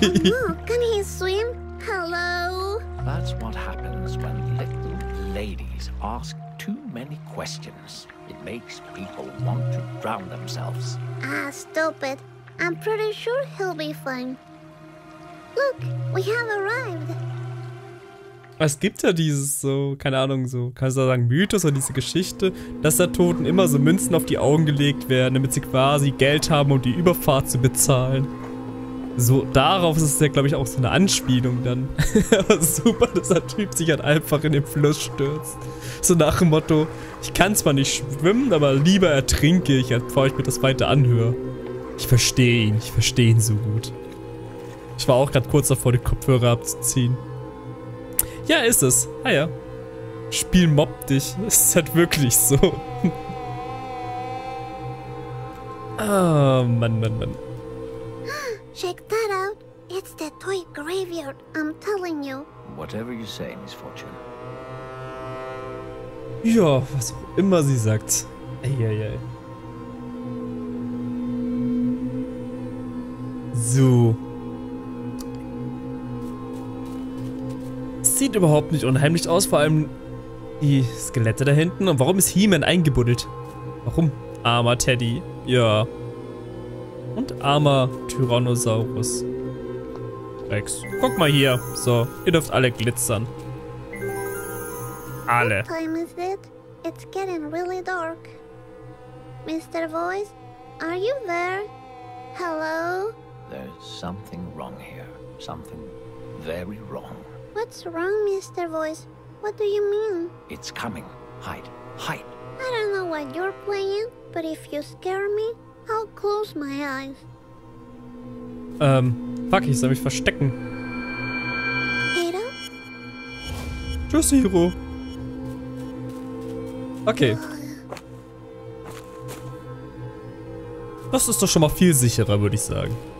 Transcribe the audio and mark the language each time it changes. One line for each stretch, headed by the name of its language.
English: Oh no, can he swim? Hello? That's what happens when little ladies ask too many questions. It makes people want to drown themselves. Ah, stop it. I'm pretty sure he'll be fine. Look, we have arrived.
German: Es gibt ja dieses, so, keine Ahnung, so, kannst du sagen, Mythos oder diese Geschichte, dass der Toten immer so Münzen auf die Augen gelegt werden, damit sie quasi Geld haben, um die Überfahrt zu bezahlen. So, darauf ist es ja, glaube ich, auch so eine Anspielung dann. Super, dass der Typ sich halt einfach in den Fluss stürzt. So nach dem Motto, ich kann zwar nicht schwimmen, aber lieber ertrinke ich, bevor ich mir das weiter anhöre. Ich verstehe ihn so gut. Ich war auch gerade kurz davor, die Kopfhörer abzuziehen. Ja, ist es. Ah ja. Spiel mobbt dich. Es ist halt wirklich so. Oh, Mann.
English: Check that out. It's the toy graveyard, I'm telling you. Whatever you say, Miss Fortune.
German: Ja, was auch immer sie sagt. Eieiei. So. Sieht überhaupt nicht unheimlich aus, vor allem die Skelette da hinten. Und warum ist He-Man eingebuddelt? Warum? Armer Teddy. Ja. Und armer Tyrannosaurus. Rex. Guck mal hier. So, ihr dürft alle glitzern. Alle.
English: What time is it? It's getting really dark. Mr. Voice, are you there? Hello? There's something wrong here. Something very wrong. What's wrong, Mr. Voice? What do you mean? It's coming. Hide. I don't know what you're playing, but if you scare me, I'll close my eyes.
German: Fuck, ich soll mich verstecken. Hero? Tschüss, Hero. Okay. Das ist doch schon mal viel sicherer, würde ich sagen.